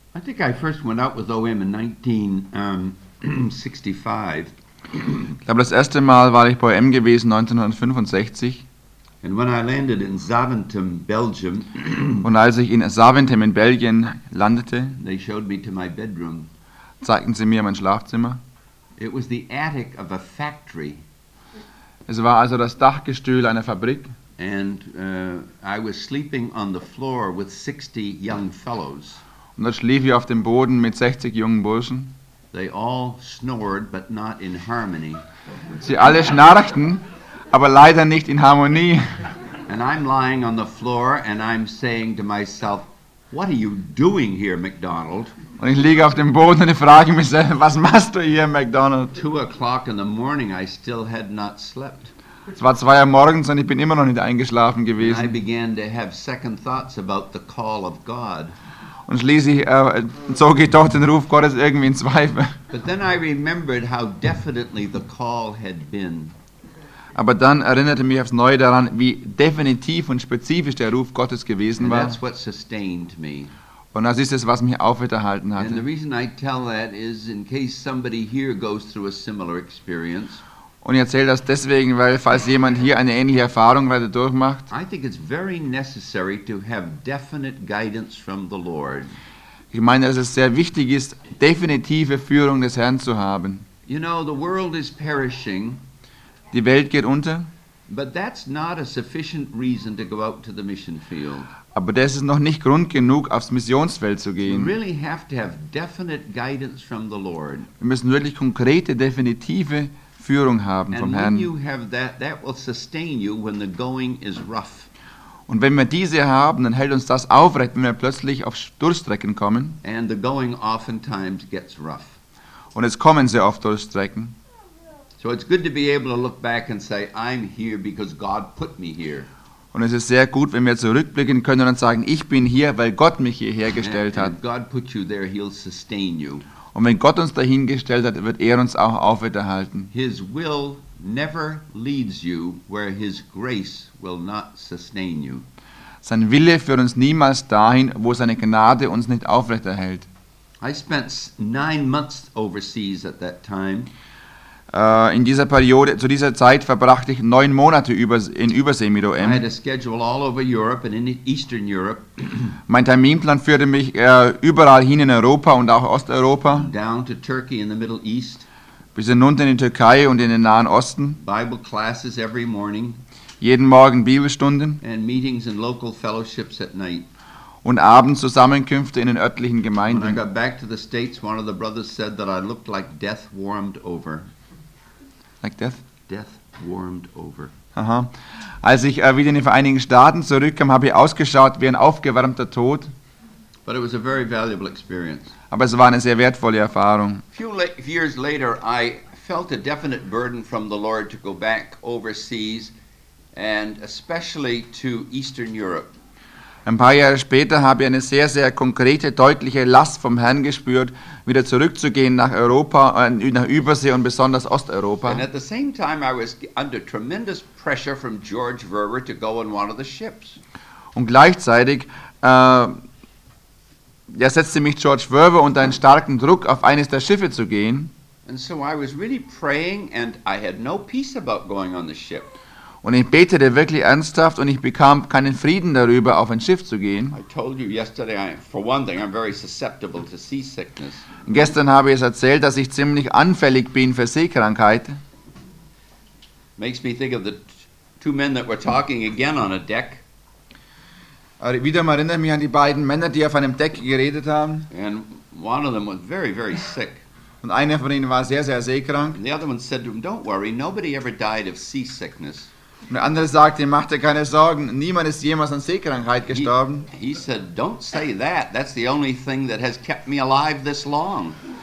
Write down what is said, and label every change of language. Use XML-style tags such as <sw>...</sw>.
<en>I think I first went out with OM in 1965.</en> <de>Ich glaube, das erste Mal war ich bei OM gewesen 1965.</de> <en>And when I landed in Zaventem, Belgium,</en> <de>und als ich in Zaventem in Belgien landete,</de> <en>they showed me to my bedroom.</en> <de>Zeigten sie mir mein Schlafzimmer.</de> <en>It was the attic of a factory.</en> <de>Es war also das Dachgestühl einer Fabrik.</de> <en>And I was sleeping on the floor with 60 young fellows.</en> <de>Und da schlief ich auf dem Boden mit 60 jungen Burschen.</de> <en>They all snored, but not in harmony.</en> <de>Sie alle schnarchten, aber leider nicht in Harmonie.</de> <en>And I'm lying on the floor and I'm saying to myself, what are you doing here, McDonald?</en> <de>Und ich liege auf dem Boden und ich frage mich selbst, was machst du hier, McDonald?</de> <en>2 o'clock in the morning, I still had not slept.</en> <de>Es war 2 Uhr morgens und ich bin immer noch nicht eingeschlafen gewesen.</de> <en>I began to have second thoughts about the call of God.</en> <de>Und schließlich zog ich doch den Ruf Gottes irgendwie in Zweifel.</de> <en>But then I remembered how definitely the call had been.</en> <de>Aber dann erinnerte mich aufs Neue daran, wie definitiv und spezifisch der Ruf Gottes gewesen war.</de> <en>That's what sustained me.</en> <de>Und das ist es, was mich aufrechterhalten hatte.</de> <en>And the reason I tell that is in case somebody here goes through a similar experience.</en> <de>Und ich erzähle das deswegen, weil falls jemand hier eine ähnliche Erfahrung gerade durchmacht.</de> <en>I think it's very necessary to have definite guidance from the Lord.</en> <de>Ich meine, dass es sehr wichtig ist, definitive Führung des Herrn zu haben.</de> <en>You know, the world is perishing.</en> <de>Die Welt geht unter.</de> <en>But that's not a sufficient reason to go out to the mission field.</en> <de>Aber das ist noch nicht Grund genug, aufs Missionsfeld zu gehen.</de> <en>You really have to have definite guidance from the Lord.</en> <de>Wir müssen wirklich konkrete, definitive Führung haben</de> <en>and</en> <de>vom</de> <en>when</en> <de>Herrn.</de> <en>You have that, that will sustain you when the going is rough.</en> <de>Und wenn wir diese haben, dann hält uns das aufrecht, wenn wir plötzlich auf Durststrecken kommen.</de> <en>And the going oftentimes gets rough.</en> <de>Und es kommen sehr oft Durststrecken.</de> <en>So it's good to be able to look back and say, I'm here because God put me here.</en> <de>Und es ist sehr gut, wenn wir zurückblicken können und sagen, ich bin hier, weil Gott mich hierher gestellt hat.</de> <en>And if God put you there, he'll sustain you.</en> <de>Und wenn Gott uns dahin gestellt hat, wird uns auch aufrechterhalten.</de> <en>His will never leads you where his grace will not sustain you.</en> <de>Sein Wille führt uns niemals dahin, wo seine Gnade uns nicht aufrechterhält.</de> <en>I spent 9 months overseas at that time.</en> <de>In dieser Periode, zu dieser Zeit verbrachte ich 9 Monate in Übersee mit OM.</de> <en>I had a schedule all over Europe and in Eastern Europe.</en> <de>Mein Terminplan führte mich überall hin in Europa und auch Osteuropa.</de> <en>Down to Turkey in the Middle East.</en> <de>Bis hinunter in die Türkei und in den Nahen Osten.</de> <en>Bible classes every morning.</en> <de>Jeden Morgen Bibelstunden.</de> <en>And meetings and local fellowships at night.</en> <de>Und abends Zusammenkünfte in den örtlichen Gemeinden.</de> <en>When I got back to the States, one of the brothers said that I looked like death warmed over. Like death? Death warmed over. Aha.</en> <de>Als ich wieder in den Vereinigten Staaten zurückkam, habe ich ausgeschaut wie ein aufgewärmter Tod.</de> <en>But it was a very valuable experience.</en> <de>Aber es war eine sehr wertvolle Erfahrung.</de> <en>Years later, I felt a definite burden from the Lord to go back overseas and especially to Eastern Europe.</en> <de>Ein paar Jahre später habe ich eine sehr, sehr konkrete, deutliche Last vom Herrn gespürt, wieder zurückzugehen nach Europa, nach Übersee und besonders Osteuropa.</de> <en>And at the same time I was under tremendous pressure from George Verwer to go on one of the ships.</en> <de>Und gleichzeitig setzte mich George Verwer unter einen starken Druck, auf eines der Schiffe zu gehen.</de> <en>And so I was really praying and I had no peace about going on the ship.</en> <de>Und ich betete wirklich ernsthaft und ich bekam keinen Frieden darüber, auf ein Schiff zu gehen.</de> <en>I told you yesterday, for one thing, I'm very susceptible to seasickness.</en> <de>Gestern habe ich es erzählt, dass ich ziemlich anfällig bin für Seekrankheit.</de> <en>Makes me think of the two men that were talking again on a deck.</en> <de>Wieder mal erinnere mich an die beiden Männer, die auf einem Deck geredet haben.</de> <en>And one of them was very, very sick.</en> <de>Und einer von ihnen war sehr, sehr seekrank.</de> <en>And the other one said to him, don't worry, nobody ever died of seasickness.</en> <de>Der andere sagte, mach dir keine Sorgen, niemand ist jemals an Seekrankheit gestorben.</de> <en>He said, don't say that, that's the only thing that has kept me alive this long.</en>